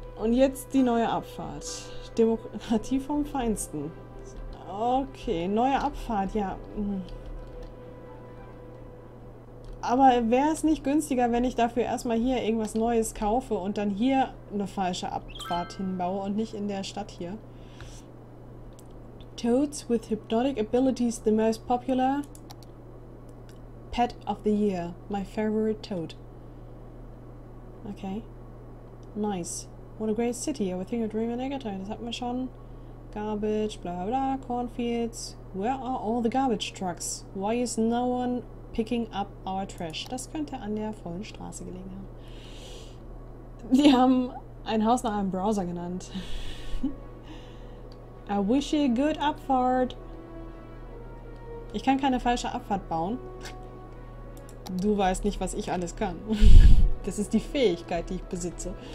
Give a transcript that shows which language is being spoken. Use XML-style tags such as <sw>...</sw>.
<de>Und jetzt die neue Abfahrt. Demokratie vom Feinsten. Okay, neue Abfahrt, ja. Aber wäre es nicht günstiger, wenn ich dafür erstmal hier irgendwas Neues kaufe und dann hier eine falsche Abfahrt hinbaue und nicht in der Stadt hier?</de> <en>Toads with hypnotic abilities, the most popular pet of the year. My favorite toad. Okay. Nice. What a great city. I would think of dreaming negative.</en> <de>Das hatten wir schon.</de> <en>Garbage, bla bla, cornfields. Where are all the garbage trucks? Why is no one picking up our trash?</en> <de>Das könnte an der vollen Straße gelegen haben. Die haben ein Haus nach einem Browser genannt.</de> <en>I wish you a good</en> <de>Abfahrt. Ich kann keine falsche Abfahrt bauen. Du weißt nicht, was ich alles kann. Das ist die Fähigkeit, die ich besitze.</de>